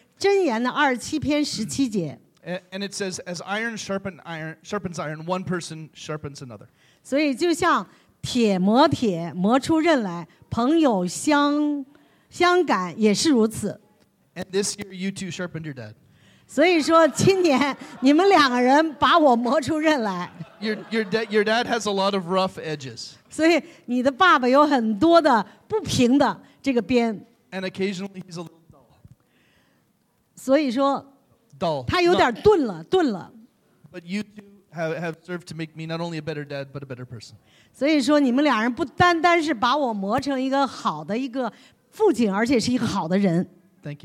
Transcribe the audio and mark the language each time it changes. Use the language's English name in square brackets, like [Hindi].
[Chinese] 所以今天神给我的一个经文就是箴言的27篇17节。 [English] And it says, as iron sharpens iron, one person sharpens another. [Chinese] 所以就像铁磨铁，磨出刃来，朋友相感也是如此。 [English] And this year, you two sharpened your dad. [Chinese] 所以说，今年你们两个人把我磨出刃来。 [English] Your dad has a lot of rough edges. [Chinese] 所以你的爸爸有很多的不平的这个边。 [English] And occasionally he's a little dull. [Chinese] 所以说, [English] dull. [Chinese] 他有点钝了，钝了。 [English] But you two have served to make me not only a better dad but a better person. [Chinese] 所以说，你们两人不单单是把我磨成一个好的一个父亲，而且是一个好的人。 [English] Thank